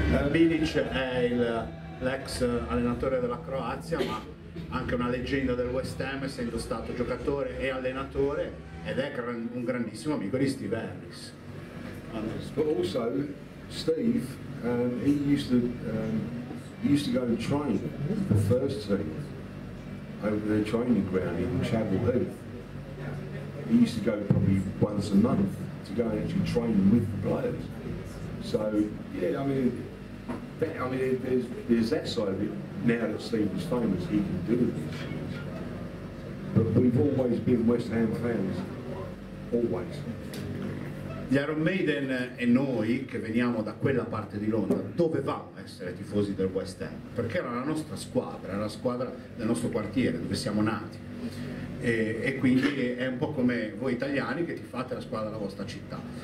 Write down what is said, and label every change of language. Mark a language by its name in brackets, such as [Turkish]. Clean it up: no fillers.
[Italian] Bilic è l'ex allenatore della Croazia, ma anche una leggenda del West Ham, essendo stato giocatore e allenatore, ed è un grandissimo amico di Steve Harris. [English] But also, Steve, he used to go and train the first team over their training ground in Chapel Heath. He used to go probably once a month to go and actually train with the players. So, yeah, there's that side of it. Now that Steve is famous, he can do this. But we've always been West Ham fans, always. [Italian] Gli Iron Maiden e noi, che veniamo da quella parte di Londra, dovevamo essere tifosi del West Ham, perché era la nostra squadra, era la squadra del nostro quartiere, dove siamo nati. E quindi è un po' come voi italiani che tifate la squadra della vostra città.